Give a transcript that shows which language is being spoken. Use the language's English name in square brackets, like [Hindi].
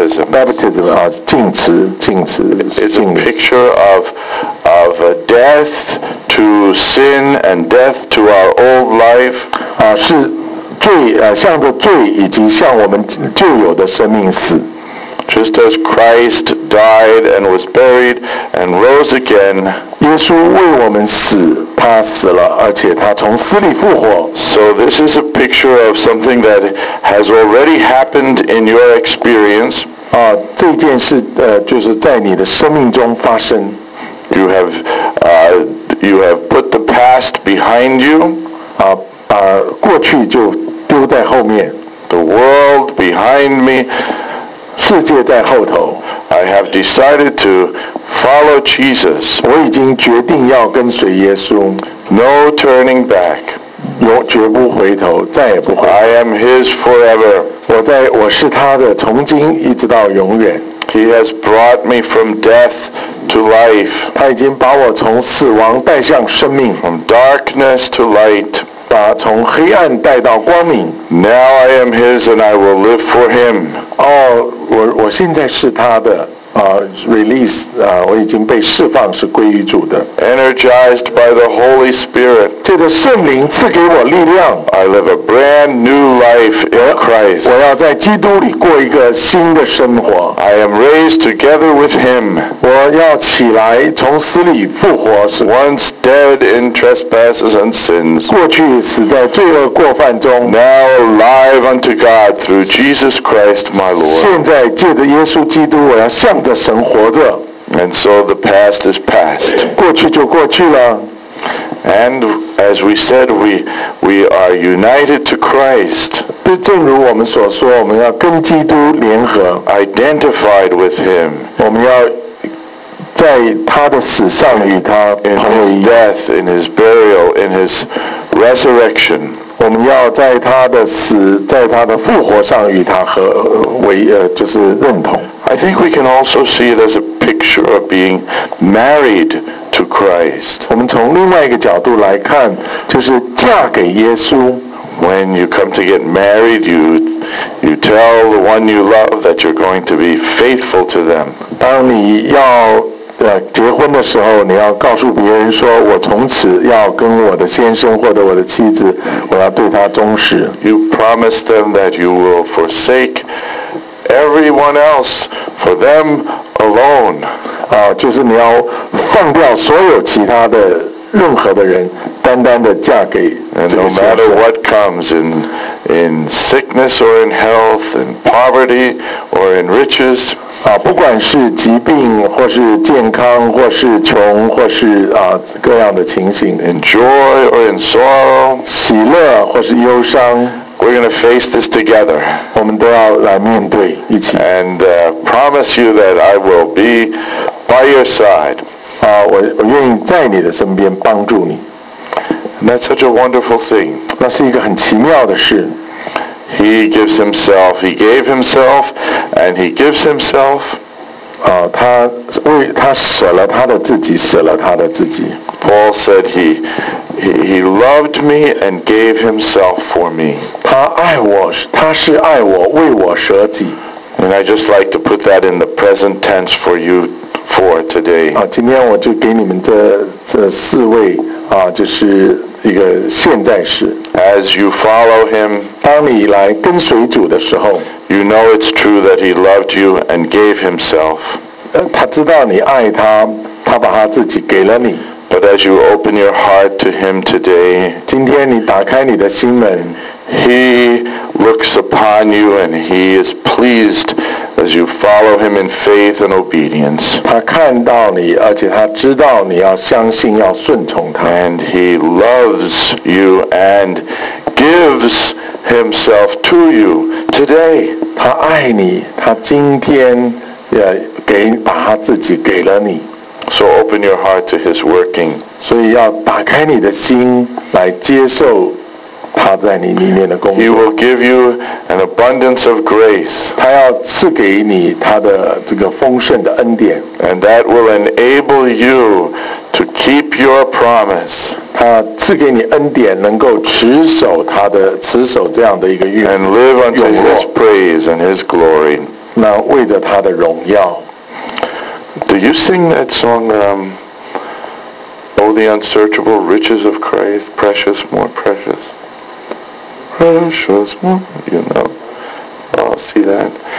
[English] baptism [Chinese] 啊，浸词 [English] is a picture of a death to sin and death to our old life [Chinese] 啊，是罪向着罪以及向我们旧有的生命死。 [English] Just as Christ died and was buried and rose again, [Chinese] 耶稣为我们死，他死了，而且他从死里复活。 [English] So this is a picture of something that has already happened in your experience. [Chinese] 啊，这件事就是在你的生命中发生。 [English] You have put the past behind you. [Chinese] 啊，把过去就丢在后面。 [English] The world behind me. [Chinese] 世界在后头。 [English] I have decided to follow Jesus. [Chinese] 我已经决定要跟随耶稣。 [English] No turning back. [Chinese] 我绝不回头，再也不回头。 [English] I am His forever. [Chinese] 我是他的，从今一直到永远。 [English] He has brought me from death to life. [Chinese] 他已经把我从死亡带向生命。 [English] From darkness to light. [Chinese] 把从黑暗带到光明。 [English] Now I am His and I will live for Him. [Chinese] 哦，我现在是他的啊 ，release 啊，我已经被释放，是归于主的。 [English] Energized by the Holy Spirit. [Chinese] 借着圣灵赐给我力量。 [English] I live a brand new life in Christ. [Chinese] 我要在基督里过一个新的生活。 [English] I am raised together with Him. [Chinese] 我要起来从死里复活。 [English] Once dead in trespasses and sins. [Chinese] 过去死在罪恶过犯中。 [English] Now alive unto God through Jesus Christ my Lord. [Chinese] 现在借着耶稣基督，我要向的神活着。 [English] And so the past is past. [Chinese] 过去就过去了。 [English] And as we said, we are united to Christ. [Chinese] 正如我们所说，我们要跟基督联合。 [English] Identified with Him. [Chinese] 我们要在他的死上与他同为一。 [English] In His death, in His burial, in His resurrection. [Chinese] 我们要在他的死，在他的复活上与他合为就是认同。 [English] I think we can also see it as a picture of being married to Christ. [Chinese] 我们从另外一个角度来看，就是嫁给耶稣。 [English] When you come to get married, you tell the one you love that you're going to be faithful to them. [Chinese] 当你要结婚的时候，你要告诉别人说，我从此要跟我的先生或者我的妻子，我要对他忠实。 [English] You promise them that you will forsake everyone else for them alone. [Chinese] 啊，就是你要放掉所有其他的任何的人，单单的嫁给这个先生。 [English] And no matter what comes in in sickness or in health, in poverty or in riches. [Chinese] 啊，不管是疾病，或是健康，或是穷，或是啊各样的情形。 [English] In joy or in sorrow, [Chinese] 喜乐或是忧伤。 [English] We're going to face this together. [Chinese] 我们都要来面对一起。 [English] And promise you that I will be by your side. [Chinese] 啊，我愿意在你的身边帮助你。 [English] That's such a wonderful thing. [Chinese] 那是一个很奇妙的事。 [English] He gives himself. He gave himself, and he gives himself. [Chinese] 啊，他舍了他的自己，舍了他的自己。 [English] Paul said he loved me and gave himself for me. [Chinese] 他是爱我，为我舍己。 [English] And I just like to put that in the present tense for you for today. [Chinese] 啊，今天我就给你们这四位啊，就是。一个现在时 [English] As you follow him, [Chinese] 当你来跟随主的时候 [English] you know it's true that he loved you and gave himself. [Chinese] 他知道你爱他，他把他自己给了你。 [English] But as you open your heart to him today, [Chinese] 今天你打开你的心门， [English] he looks upon you and he is pleased as you follow him in faith and obedience. [Chinese] 他看到你，而且他知道你要相信，要顺从他。 [English] And he loves you and gives himself to you today. [Chinese] 他爱你，他今天也把他自己给了你。 [English] So open your heart to his working. [Chinese] 所以要打开你的心来接受他在你里面的工作。 [English] He will give you an abundance of grace. [Chinese] 他要赐给你他的这个丰盛的恩典。 [English] And that will enable you to keep your promise. [Chinese] 他赐给你恩典，能够持守这样的一个约。 [English] And live unto his praise and his glory. [Chinese] 那为着他的荣耀。 [English] Do you sing that song, O the unsearchable riches of Christ, precious, more precious? Precious, you know. Oh, see that.